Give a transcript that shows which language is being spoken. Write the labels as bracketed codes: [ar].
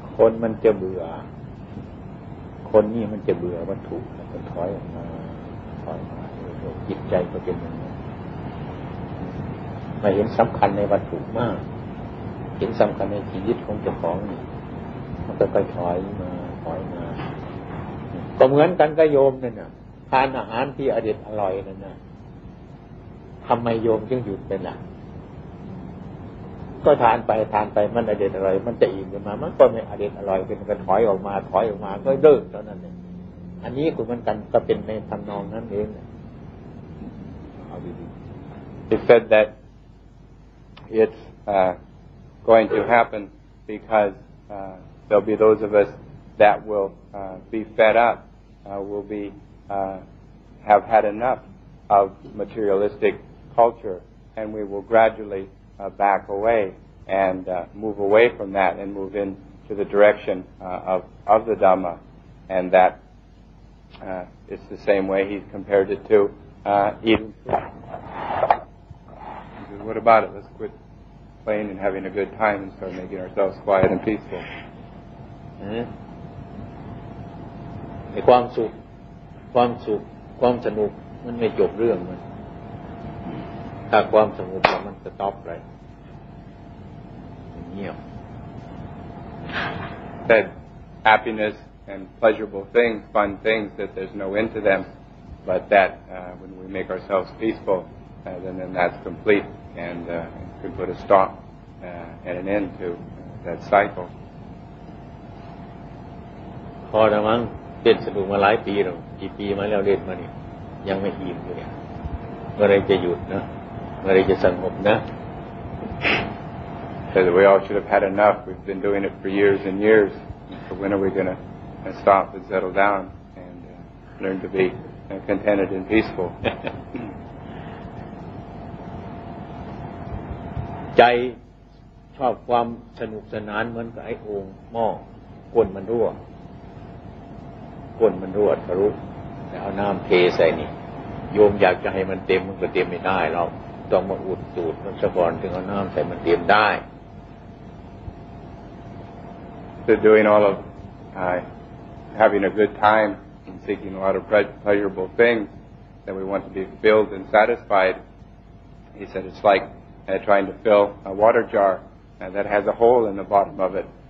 [th] คนมันจะเบื่อคนนี่มันจะเบื่อวัตถุมันถอยออกมาถอยมาจิตใจก็เป็นอย่างนี้มาเห็นสำคัญในวัตถุมากเห็นสำคัญในชีวิตของเจ้าของนี่มันก็ค่อยถอยมาถอยมาก็เหมือนกันกับโยมนั่นน่ะทานอาหารที่อร่อยนั่นน่ะทำไมโยมจึงหยุดไปล่ะ ก็ทานไปมันอร่อยมันจะอิ่มขึ้นมามันก็ไม่อร่อยขึ้นมันก็ถอยออกมาก็เลิกเท่านั้นเอง อันนี้คุณมันกันก็เป็นในทำนองนั้นเอง [en] He said that it's going to happen because there'll be those of us that will be fed up, will be have had enough of materialistic culture, and we will gradually back away and move away from that and move in to the direction of the Dhamma, and that it's the same way he compared it to eating food. He said, "What about it? Let's quit playing and having a good time and start making ourselves quiet and peaceful." [th] ความสุขความสุขความสนุกมันไม่จบเรื่องมันถ้าความสงบแล้วมันจะต๊อปเลยเงียบ [en] That happiness and pleasurable things, fun things, that there's no end to them, but that when we make ourselves peaceful, then that's complete and can put a stop and an end to that cycle. [th] พอละมั้งเป็นสนุกมาหลายปีแล้วกี่ปีมาแล้วเล่นมาเนี่ยยังไม่อิ่มเลยเมื่อไรจะหยุดนะเมื่อไรจะสงบนะ [en] Because we all should have had enough. We've been doing it for years and years. So when are we going to stop and settle down and learn to be contented and peaceful? [th] ใจชอบความสนุกสนานเหมือนกับไอ้โอ่งหม้อกวนมันรั่วกวนมันรั่วทะลุแล้วเอาน้ำเทใส่นี่โยมอยากจะให้มันเต็มมันก็เต็มไม่ได้หรอกต้องมาอุดสูตรมันซะก่อนถึงเอาน้ำใส่มันเต็มได้ [en] To doing all of having a good time and seeking a lot of pleasurable things that we want to be filled and satisfied. He said it's like trying to fill a water jar that has a hole in the bottom of it.